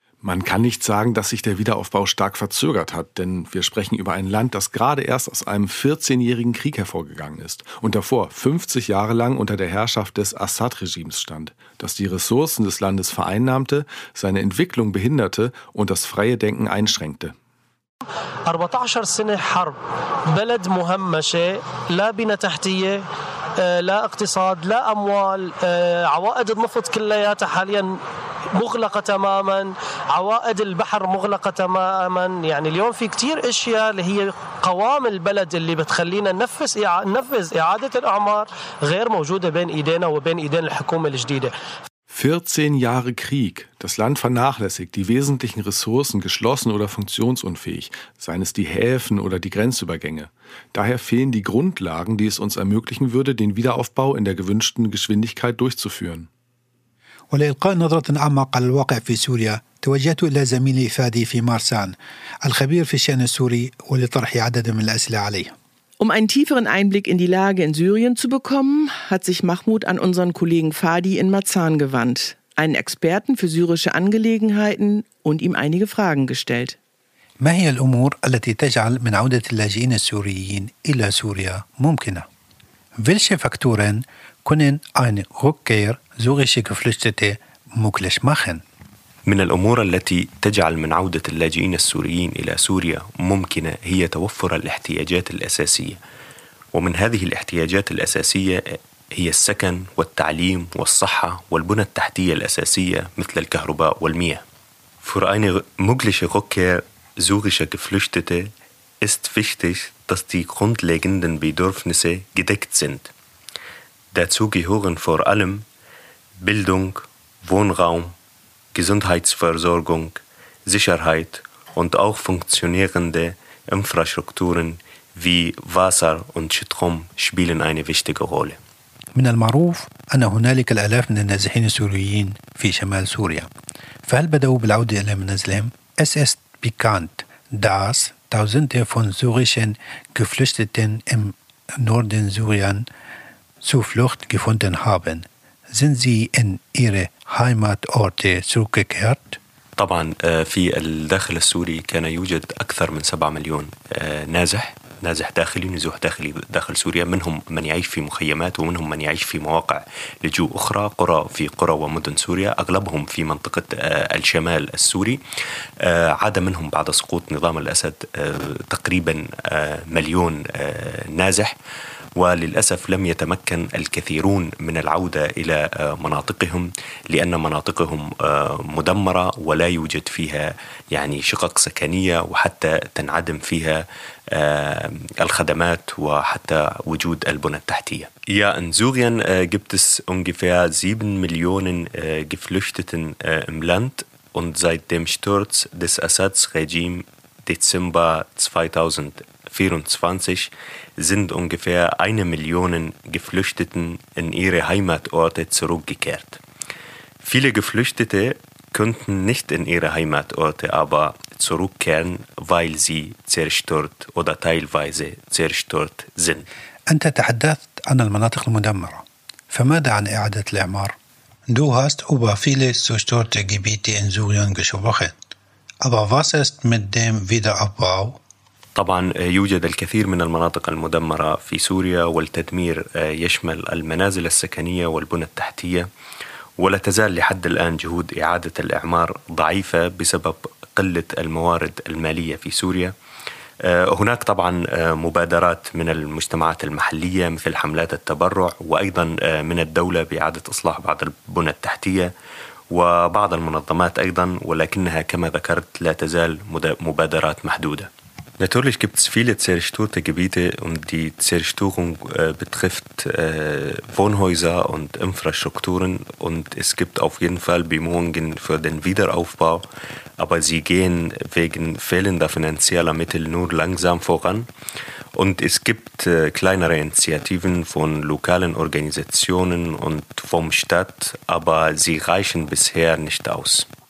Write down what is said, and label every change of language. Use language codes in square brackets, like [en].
[de] Man kann nicht sagen, dass sich der Wiederaufbau stark verzögert hat, denn wir sprechen über ein Land, das gerade erst aus einem 14-jährigen Krieg hervorgegangen ist und davor 50 Jahre lang unter der Herrschaft des Assad-Regimes stand, das die Ressourcen des Landes vereinnahmte, seine Entwicklung behinderte und das freie Denken einschränkte. [ar] 14 سنة حرب، بلد مهمشة، لا بنى تحتية، لا اقتصاد، لا أموال، عوائد النفط كلياتها حاليا مغلقة تماما، عوائد البحر مغلقة تماما، يعني اليوم في كتير أشياء اللي هي قوام البلد اللي بتخلينا ننفذ إعادة الإعمار غير موجودة بين إيدينا وبين إيدين الحكومة الجديدة. [de] 14 Jahre Krieg, das Land vernachlässigt, die wesentlichen Ressourcen geschlossen oder funktionsunfähig, seien es die Häfen oder die Grenzübergänge. Daher fehlen die Grundlagen, die es uns ermöglichen würde, den Wiederaufbau in der gewünschten Geschwindigkeit durchzuführen. [ar] ولإلقاء نظرة عامة على الواقع في سوريا توجهت إلى زميلي فادي في مارسان الخبير في الشأن السوري ولطرح عدد من الأسئلة عليه. [de] Um einen tieferen Einblick in die Lage in Syrien zu bekommen, hat sich Mahmoud an unseren Kollegen Fadi in Marzahn gewandt, einen Experten für syrische Angelegenheiten, und ihm einige Fragen gestellt. [ar] ما هي الأمور التي تجعل من عودة اللاجئين السوريين إلى سوريا ممكنة؟ [de] Welche Faktoren können eine Rückkehr syrischer Geflüchtete möglich machen? [ar] من الأمور التي تجعل من عودة اللاجئين السوريين إلى سوريا ممكنة هي توفر الاحتياجات الأساسية، ومن هذه الاحتياجات الأساسية هي السكن والتعليم والصحة والبنى التحتية الأساسية مثل الكهرباء والمياه. [de] Für eine mögliche Rückkehr syrischer Geflüchtete ist wichtig, dass die grundlegenden Bedürfnisse gedeckt sind. Dazu gehören vor allem Bildung, Wohnraum, Gesundheitsversorgung, Sicherheit und auch funktionierende Infrastrukturen wie Wasser und Strom spielen eine wichtige Rolle. [ar] من المعروف أن هنالك الآلاف من النازحين السوريين في شمال سوريا. فهل بدأوا بالعودة إلى منازلهم؟ [de] Es ist bekannt, dass Tausende von syrischen Geflüchteten im Norden Syrien Zuflucht gefunden haben. Sind sie in ihre Heimatorte zurückgekehrt? [ar] طبعا في الداخل السوري كان يوجد أكثر من 7 مليون نازح داخلي، نزوح داخلي داخل سوريا، منهم من يعيش في مخيمات ومنهم من يعيش في مواقع لجوء أخرى، قرى ومدن سوريا، أغلبهم في منطقة الشمال السوري. عاد منهم بعد سقوط نظام الأسد تقريبا مليون نازح، وللأسف لم يتمكن الكثيرون من العودة إلى مناطقهم لأن مناطقهم مدمرة ولا يوجد فيها يعني شقق سكنية وحتى تنعدم فيها الخدمات وحتى وجود البنى التحتية. [de] يا أنزوغيان جبتس ungefähr 7 مليون geflüchteten im Land und seit dem Sturz des Assad-Regimes Dezember 2024 sind ungefähr 1 Million Geflüchteten in ihre Heimatorte zurückgekehrt. Viele Geflüchtete könnten nicht in ihre Heimatorte aber zurückkehren, weil sie zerstört oder teilweise zerstört sind. [ar] أنت تحدثت عن المناطق المدمرة. فماذا عن إعادة الإعمار؟ [de] Du hast über viele zerstörte Gebiete in Syrien gesprochen. Aber was ist mit dem Wiederaufbau? [ar] طبعا يوجد الكثير من المناطق المدمرة في سوريا والتدمير يشمل المنازل السكنية والبنى التحتية ولا تزال لحد الآن جهود إعادة الإعمار ضعيفة بسبب قلة الموارد المالية في سوريا. هناك طبعا مبادرات من المجتمعات المحلية مثل حملات التبرع وأيضا من الدولة بإعادة إصلاح بعض البنى التحتية وبعض المنظمات أيضا ولكنها كما ذكرت لا تزال مبادرات محدودة. [de] Natürlich gibt es viele zerstörte Gebiete und die Zerstörung betrifft Wohnhäuser und Infrastrukturen und es gibt auf jeden Fall Bemühungen für den Wiederaufbau, aber sie gehen wegen fehlender finanzieller Mittel nur langsam voran und es gibt kleinere Initiativen von lokalen Organisationen und vom Staat, aber sie reichen bisher nicht aus.